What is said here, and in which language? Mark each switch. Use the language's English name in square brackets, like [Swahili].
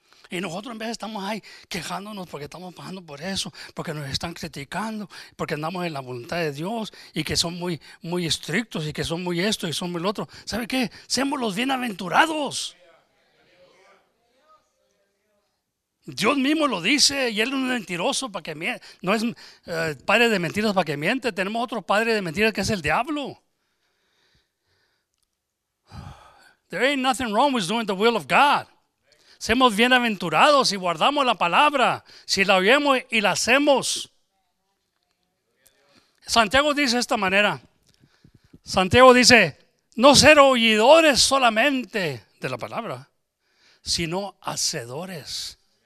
[Spanish] Y nosotros en vez estamos ahí quejándonos porque estamos pasando por eso, porque nos están criticando, porque andamos en la voluntad de Dios y que son muy, muy estrictos y que son muy esto y son muy lo otro. ¿Sabe qué? Seamos los bienaventurados. Dios mismo lo dice y Él es un mentiroso para que miente. No es padre de mentiras para que miente. Tenemos otro padre de mentiras que es el diablo. [English] There ain't nothing wrong with doing the will of God. [Spanish] Seamos bienaventurados si guardamos la palabra, si la oyemos y la hacemos. Santiago dice de esta manera. Santiago dice, no ser oidores solamente de la palabra, sino hacedores.